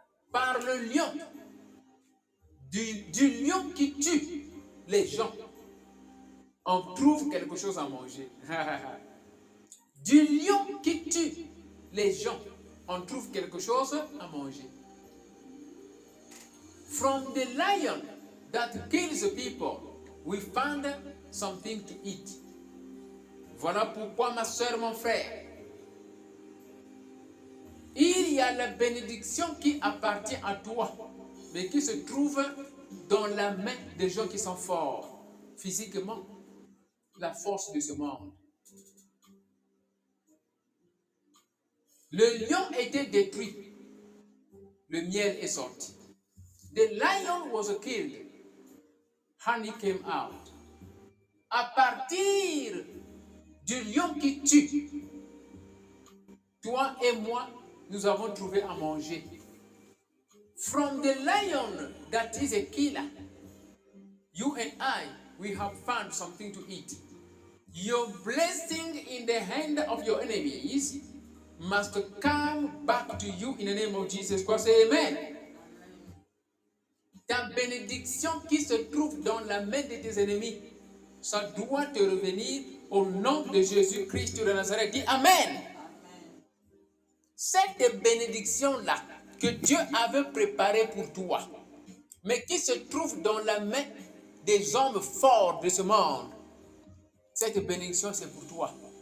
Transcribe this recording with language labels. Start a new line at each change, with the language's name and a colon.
French: Par le lion, du lion qui tue les gens, on trouve quelque chose à manger. Du lion qui tue les gens, on trouve quelque chose à manger.
English: From the lion that kills people, we find something to eat.
French: Voilà pourquoi, ma soeur, mon frère, il y a la bénédiction qui appartient à toi, mais qui se trouve dans la main des gens qui sont forts, physiquement, la force de ce monde. Le lion était détruit. Le miel est sorti.
English: The lion was killed. Honey came out.
French: À partir du lion qui tue, toi et moi, nous avons trouvé à manger.
English: From the lion that is a killer, you and I, we have found something to eat. Your blessing in the hand of your enemies must come back to you in the name of Jesus Christ. Say amen.
French: Ta bénédiction qui se trouve dans la main de tes ennemis, ça doit te revenir au nom de Jésus-Christ de Nazareth. Dis amen. Cette bénédiction-là que Dieu avait préparée pour toi, mais qui se trouve dans la main des hommes forts de ce monde, cette bénédiction, c'est pour toi.